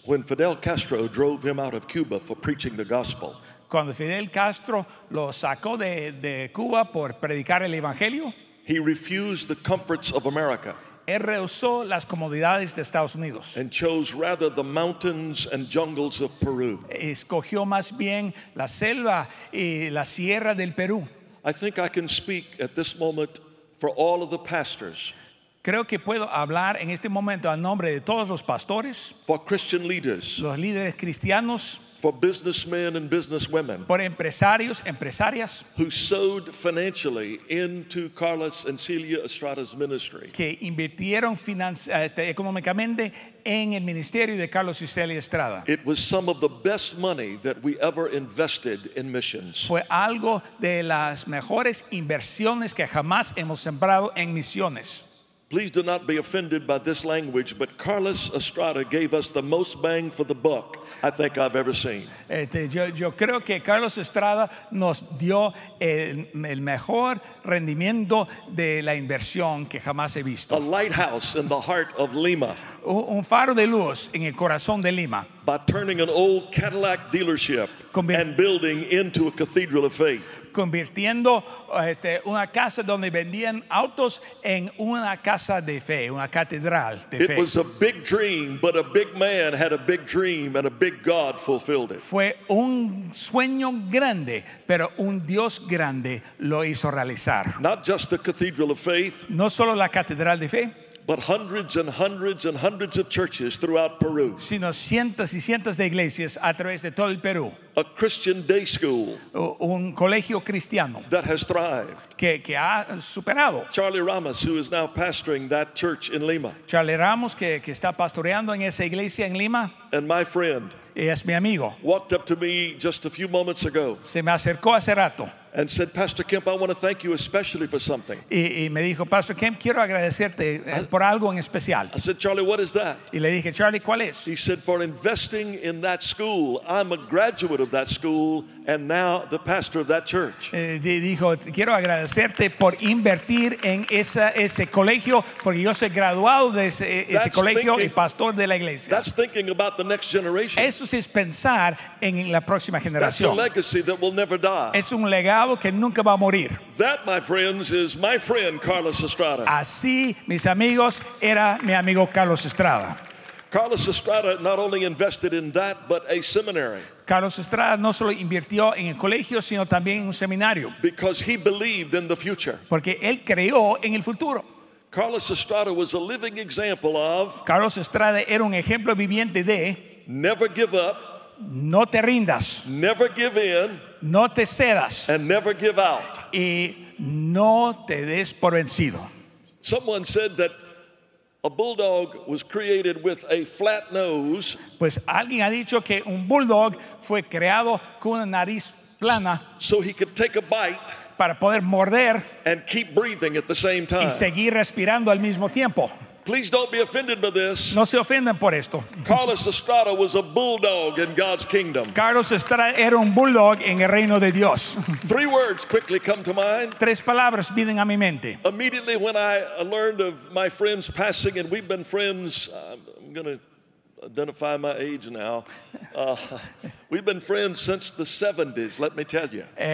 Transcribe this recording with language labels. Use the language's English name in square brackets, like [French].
[English] When Fidel Castro drove him out of Cuba for preaching the gospel. [Spanish] Cuando Fidel Castro lo sacó de Cuba por predicar el evangelio. [English] He refused the comforts of America. [Spanish] Él rehusó las comodidades de Estados Unidos. [English] And chose rather the mountains and jungles of Peru. [Spanish] Escogió más bien la selva y la sierra del Perú. [English] I think I can speak at this moment for all of the pastors. [Spanish] Creo que puedo hablar en este momento a nombre de todos los pastores. [English] For Christian leaders. [Spanish] Los líderes cristianos. [English] For businessmen and businesswomen. [Spanish] Por empresarios, empresarias. [English] Who sowed financially into Carlos and Celia Estrada's ministry. [Spanish] Que invirtieron económicamente en el ministerio de Carlos y Celia Estrada. [English] It was some of the best money that we ever invested in missions. [Spanish] Fue algo de las mejores inversiones que jamás hemos sembrado en misiones. [English] Please do not be offended by this language, but Carlos Estrada gave us the most bang for the buck I think I've ever seen. [Spanish] Yo creo que Carlos Estrada nos dio el mejor rendimiento de la inversión que jamás he visto. [English] A lighthouse in the heart of Lima. [Spanish] Un faro de luz en el corazón de Lima. [English] By turning an old Cadillac dealership and building into a cathedral of faith. [Spanish] Convirtiendo una casa donde vendían autos en una casa de fe, una catedral de fe. [English] It was a big dream, but a big man had a big dream and a big God fulfilled it. [Spanish] Fue un sueño grande, pero un Dios grande lo hizo realizar. [English] Not just the cathedral of faith. [Spanish] No solo la catedral de fe. [English] But hundreds and hundreds and hundreds of churches throughout Peru. [Spanish] Sino cientos y cientos de iglesias a través de todo el Perú. [English] a Christian day school, [Spanish] un colegio cristiano, [English] that has thrived, [Spanish] que ha superado. [English] Charlie Ramos, who is now pastoring that church in Lima. [Spanish] Charlie Ramos, que está pastoreando en esa iglesia en Lima. [English] And my friend, [Spanish] es mi amigo, [English] walked up to me just a few moments ago. [Spanish] Se me acercó hace rato. [English] And said, Pastor Kemp, I want to thank you especially for something. [Spanish] Y me dijo, Pastor Kemp, quiero agradecerte por algo en especial. [English] I said, Charlie, what is that? [Spanish] Y le dije, Charlie, ¿cuál es? [English] He said, for investing in that school. I'm a graduate of that school and now the pastor of that church. [Spanish] Dijo, quiero agradecerte por invertir en ese colegio, porque yo soy graduado de ese colegio y pastor de la iglesia. [English] That's thinking about the next generation. [Spanish] Eso es pensar en la próxima generación. [English] That's a legacy that will never die. [Spanish] Es un legado que nunca va a morir. [English] That, my friends, is my friend Carlos Estrada. [Spanish] Así, mis amigos, era mi amigo Carlos Estrada. [English] Carlos Estrada not only invested in that, but a seminary. [Spanish] Carlos Estrada no solo invirtió en el colegio, sino también en un seminario. [English] Because he believed in the future. [Spanish] Porque él creyó en el futuro. [English] Carlos Estrada was a living example of. [Spanish] Carlos Estrada era un ejemplo viviente de. [English] Never give up. [Spanish] No te rindas. [English] Never give in. [Spanish] No te cedas. [English] And never give out. [Spanish] Y no te des por vencido. [English] Someone said that a bulldog was created with a flat nose. [Spanish] Pues alguien ha dicho que un bulldog fue creado con una nariz plana. [English] So he could take a bite. [Spanish] Para poder morder. [English] And keep breathing at the same time. [Spanish] Y seguir respirando al mismo tiempo. [English] Please don't be offended by this. [Spanish] No se ofendan por esto. [English] Carlos Estrada was a bulldog in God's kingdom. [Spanish] Carlos Estrada era un bulldog en el reino de Dios. [English] Three words quickly come to mind. [Spanish] Tres palabras vienen a mi mente. [English] Immediately when I learned of my friend's passing, and we've been friends, I'm going to identify my age now. We've been friends since the 70s, let me tell you.